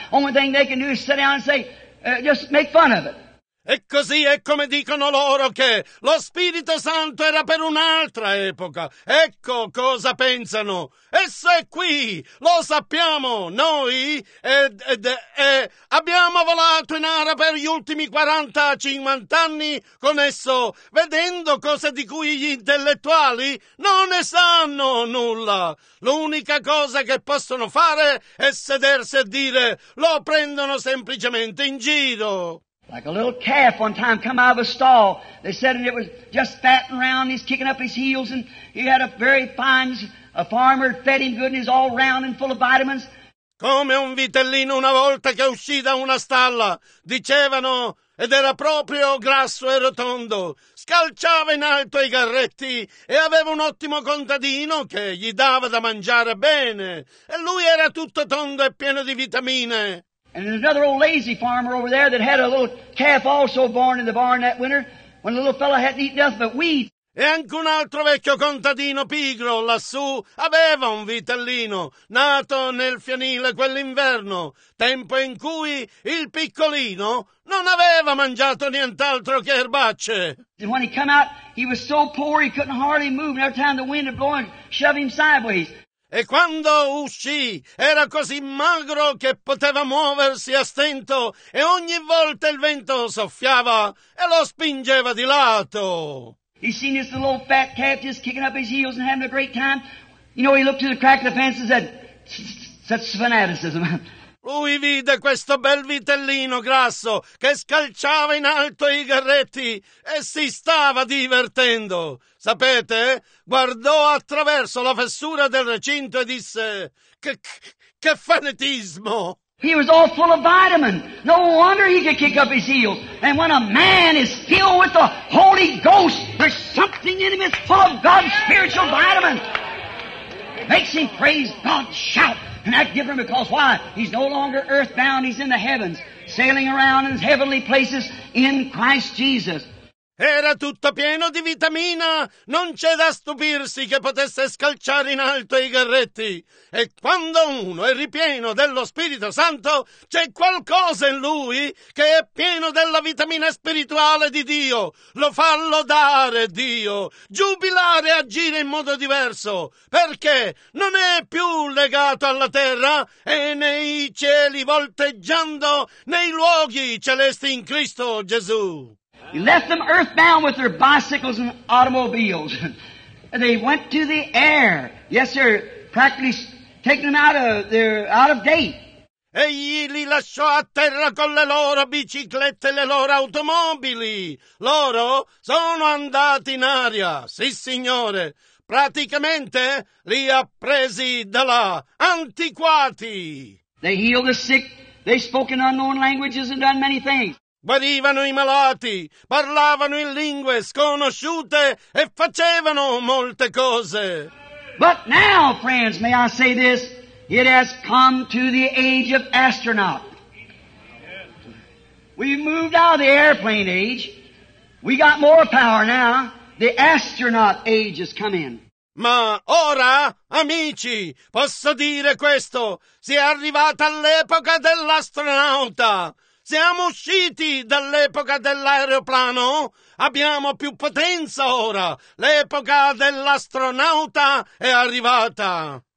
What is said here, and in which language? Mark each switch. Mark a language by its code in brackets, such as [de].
[en] Only thing they can do is sit down and say, just make fun of it. [it] E così è come dicono loro che lo Spirito Santo era per un'altra epoca. Ecco cosa pensano. Esso è qui, lo sappiamo noi, e abbiamo volato in aria per gli ultimi 40-50 anni con esso, vedendo cose di cui gli intellettuali non ne sanno nulla. L'unica cosa che possono fare è sedersi e dire, lo prendono semplicemente in giro. [en] Like a little calf one time come out of a stall. They said it was just fatting around. He's kicking up his heels and he had a very fine a farmer fed him good and he's all round and full of vitamins. [it] Come un vitellino una volta che uscì da una stalla. Dicevano, ed era proprio grasso e rotondo. Scalciava in alto i garretti e aveva un ottimo contadino che gli dava da mangiare bene. E lui era tutto tondo e pieno di vitamine. [en] And there's another old lazy farmer over there that had a little calf also born in the barn that winter when the little fellow hadn't eaten nothing but wheat. [it] E anche un altro vecchio contadino pigro lassù aveva un vitellino nato nel fienile quell'inverno, tempo in cui il piccolino non aveva mangiato nient'altro che erbacce. [en] And when he came out, he was so poor he couldn't hardly move, and every time the wind would blow and shove him sideways. [it] E quando uscì, era così magro che poteva muoversi a stento e ogni volta il vento soffiava e lo spingeva di lato. [en] He seen this little fat calf just kicking up his heels and having a great time. You know, he looked through the crack of the fence and said, such fanaticism. [it] Lui vide questo bel vitellino grasso che scalciava in alto i garretti e si stava divertendo. Sapete? Guardò attraverso la fessura del recinto e disse, che fanatismo! [en] He was all full of vitamin. No wonder he could kick up his heels. And when a man is filled with the Holy Ghost, there's something in him that's full of God's spiritual vitamin. Makes him praise God, shout. And that's different because why? He's no longer earthbound, he's in the heavens, sailing around in heavenly places in Christ Jesus. [it] Era tutto pieno di vitamina, non c'è da stupirsi che potesse scalciare in alto i garretti. E quando uno è ripieno dello Spirito Santo, c'è qualcosa in lui che è pieno della vitamina spirituale di Dio. Lo fa lodare Dio, giubilare e agire in modo diverso, perché non è più legato alla terra e nei cieli volteggiando nei luoghi celesti in Cristo Gesù. [en] He left them earthbound with their bicycles and automobiles. And they went to the air. Yes, sir, practically taking them out of date. [it] Egli li lasciò a terra con le loro biciclette e le loro automobili. Loro sono andati in aria, sì signore. Praticamente li ha presi da là, antiquati. [en] They healed the sick, they spoke in unknown languages and done many things. [it] Guarivano i malati, parlavano in lingue sconosciute e facevano molte cose. [en] But now, friends, may I say this? It has come to the age of astronaut. We've moved out of the airplane age. We got more power now. The astronaut age has come in. [it] Ma ora, amici, posso dire questo: si è arrivata all'epoca dell'astronauta! Siamo usciti dall'epoca dell'aeroplano? Abbiamo più potenza ora! L'epoca dell'astronauta è arrivata!